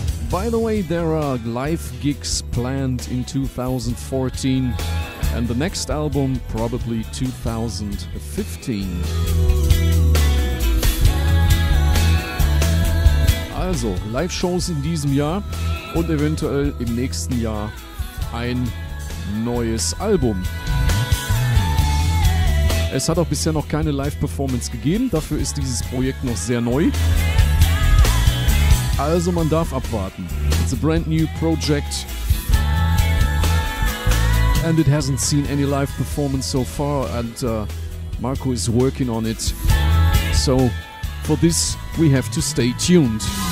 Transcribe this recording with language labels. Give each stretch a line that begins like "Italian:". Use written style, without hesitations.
English: by the way, there are live gigs planned in 2014 and the next album probably 2015.
German: Also, Live-Shows in diesem Jahr und eventuell im nächsten Jahr ein neues Album. Es hat auch bisher noch keine Live-Performance gegeben, dafür ist dieses Projekt noch sehr neu. Also man darf abwarten.
English: It's a brand new project and it hasn't seen any live performance so far and Marco is working on it. So for this we have to stay tuned.